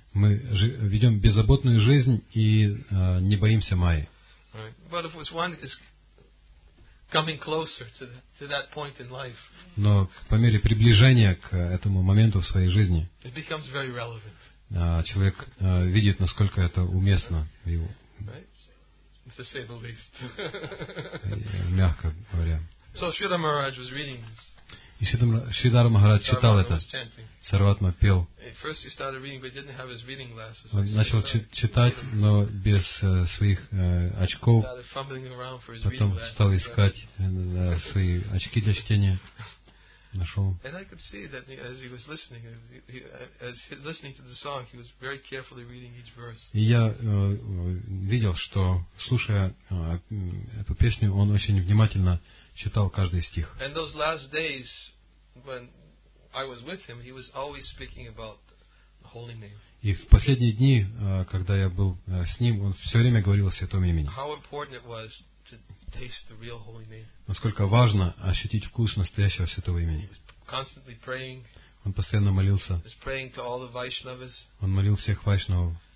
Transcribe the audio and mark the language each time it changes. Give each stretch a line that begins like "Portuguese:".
Russian: Мы ведем беззаботную жизнь и не боимся Майи.
English: But if one is coming closer to that point in life,
Russian: но по мере приближения к этому моменту в своей жизни,
English: it becomes very relevant.
Russian: Человек видит, насколько это уместно в его.
English: To say the least.
Russian: Мягко говоря.
English: So Shridhar Maharaj was reading this.
Russian: И Шридхар Махарадж читал это. Сарватма пел.
English: First he started reading, but didn't have his reading glasses.
Russian: Он начал читать, но без своих очков. Потом стал искать свои очки для чтения. Нашел.
English: And I could see that as he was listening, to the song, he was very carefully reading each verse.
Russian: И я видел, что слушая эту песню, он очень внимательно читал каждый стих.
English: And those last days, when I was with him, he was always speaking about the holy name.
Russian: И в последние дни, когда я был с ним, он все время говорил о Святом Имени.
English: How important it was. Taste the real holy name.
Russian: Насколько важно ощутить вкус настоящего Святого Имени.
English: Constantly praying.
Russian: Он постоянно молился.
English: He's praying to all the Vaishnavas.
Russian: Он молил всех вайшнавов.